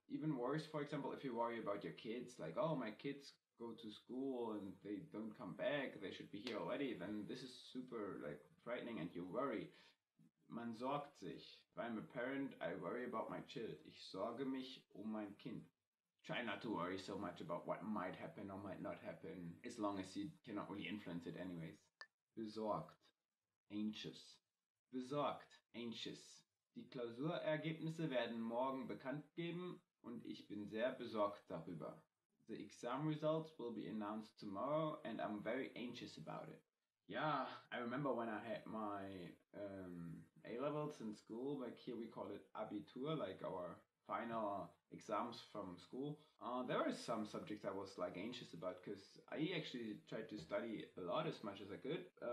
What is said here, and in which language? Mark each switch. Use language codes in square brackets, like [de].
[en] Even worse, for example, if you worry about your kids, like, oh, my kids go to school and they don't come back, they should be here already, then this is super, like, frightening and you worry. [de] Man sorgt sich. [en] If I'm a parent, I worry about my child. [de] Ich sorge mich mein Kind. [en] Try not to worry so much about what might happen or might not happen, as long as you cannot really influence it anyways. [de] Besorgt. Anxious. Besorgt. Anxious. Die Klausurergebnisse werden morgen bekannt geben und ich bin sehr besorgt darüber. [en] The exam results will be announced tomorrow and I'm very anxious about it. Yeah, I remember when I had my A-levels in school, like here we call it Abitur, like our final exams from school. There were some subjects I was like anxious about because I actually tried to study a lot as much as I could.